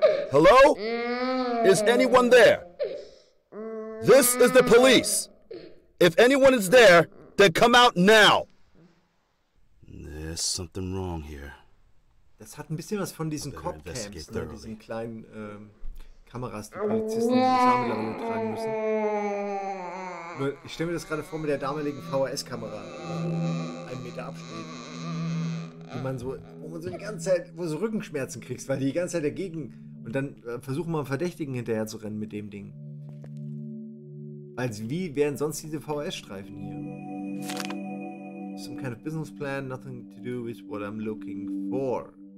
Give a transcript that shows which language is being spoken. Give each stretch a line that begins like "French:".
English: Hello? Is anyone there? This is the police. If anyone is there, then come out now. There's something wrong here.
German: Das hat ein bisschen was von diesen Cop-Cams, ne? Diesen kleinen Kameras, die Polizisten die Schamlappen tragen müssen. Nur, ich stelle mir das gerade vor mit der damaligen VHS-Kamera. Einen Meter Abstand. Wo man so die ganze Zeit, wo du so Rückenschmerzen kriegst, weil die ganze Zeit dagegen. Und dann versuchen wir einen Verdächtigen hinterher zu rennen mit dem Ding. Also wie wären sonst diese VHS-Streifen hier?
English: Some kind of business plan, nothing to do with what I'm looking for.